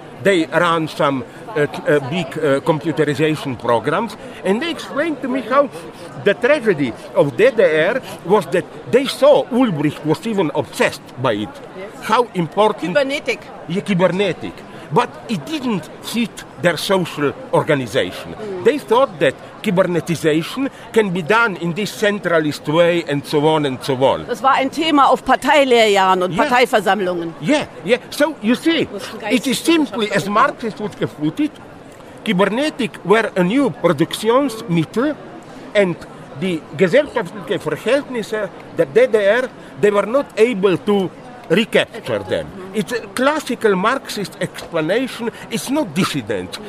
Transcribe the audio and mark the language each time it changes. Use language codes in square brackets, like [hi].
[en] They run some big computerization programs, and they explained to me how the tragedy of DDR was that they saw Ulbricht was even obsessed by it. Yes. How important... Kubernetic. Yeah, kubernetic. But it didn't fit their social organization. Mm. They thought that kubernetization can be done in this centralist way and so on and so on. [de] Das war ein Thema auf Parteilehrjahren und Parteiversammlungen. [en] Yeah, yeah. So, you see, it is simply, as Marxists would have put it, kubernetic were a new Produktionsmittel and the [de] gesellschaftliche Verhältnisse, [en] the DDR, they were not able to recapture them. It's a classical Marxist explanation. It's not dissidents.